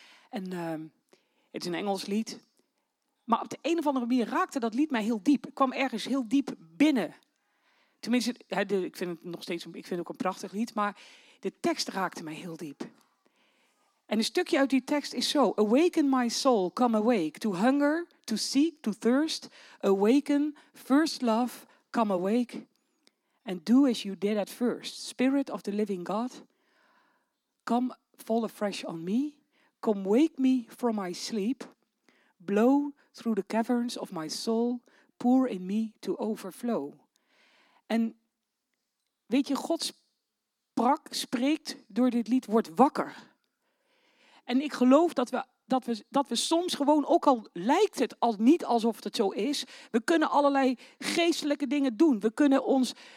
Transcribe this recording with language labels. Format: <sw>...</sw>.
<nl>En het is een Engels lied. Maar op de een of andere manier raakte dat lied mij heel diep. Ik kwam ergens heel diep binnen. Tenminste, ik vind het nog steeds, ik vind het ook een prachtig lied. Maar de tekst raakte mij heel diep. En een stukje uit die tekst is zo.</nl> <en>Awaken my soul, come awake. To hunger, to seek, to thirst. Awaken, first love, come awake. And do as you did at first. Spirit of the living God, come fall afresh on me. Come wake me from my sleep. Blow through the caverns of my soul. Pour in me to overflow.</en> <nl>En weet je, God spreekt door dit lied, wordt wakker. En ik geloof dat we soms gewoon, ook al lijkt het als niet alsof het zo is, we kunnen allerlei geestelijke dingen doen. We kunnen ons...</nl>